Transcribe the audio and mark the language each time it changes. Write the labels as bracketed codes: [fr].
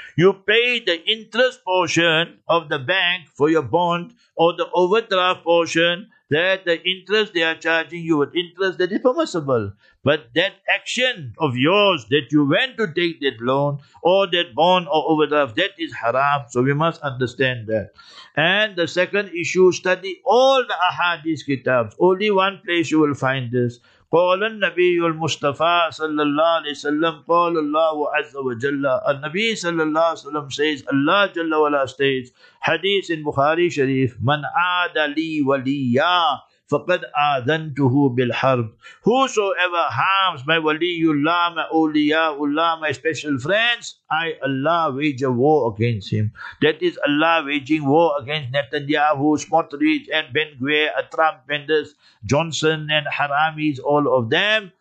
[en] You pay the interest portion of the bank for your bond or the overdraft portion, that the interest they are charging you with interest, that is permissible. But that action of yours that you went to take that loan or that bond or overdraft, that is haram. So we must understand that. And the second issue, study all the ahadith kitabs. Only one place you will find this. [ar] قال النبي المصطفى صلى الله عليه وسلم قال الله عز وجل النبي صلى الله عليه وسلم [en] says [ar] الله جل وعلا [en] states [ar] حديث البخاري شريف من عاد لي وليا فقد آذنته بالحرب. [en] Whosoever harms my waliullah, my awliyaullah, my special friends, I Allah wage a war against him. That is Allah waging war against Netanyahu, Smotrich, and Ben Gvir, Trump, and this Johnson, and Haramis, all of them.